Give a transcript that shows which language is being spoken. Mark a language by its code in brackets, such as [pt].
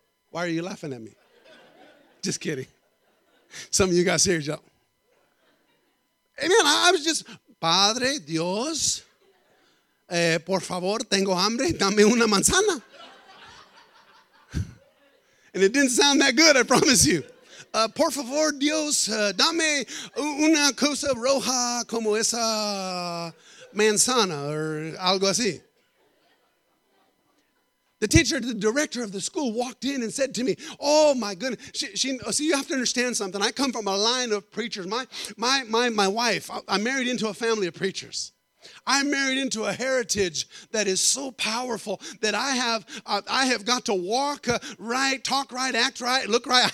[en] Why are you laughing at me? Just kidding. Some of you got serious, y'all. Amen. I was just, [es] Padre Dios, por favor, tengo hambre, dame una manzana. [en] And it didn't sound that good, I promise you. [es] Por favor, Dios, dame una cosa roja como esa manzana or algo así. [en] The teacher, the director of the school, walked in and said to me, oh, my goodness. See, you have to understand something. I come from a line of preachers. My wife, I married into a family of preachers. I married into a heritage that is so powerful that I have got to walk right, talk right, act right, look right.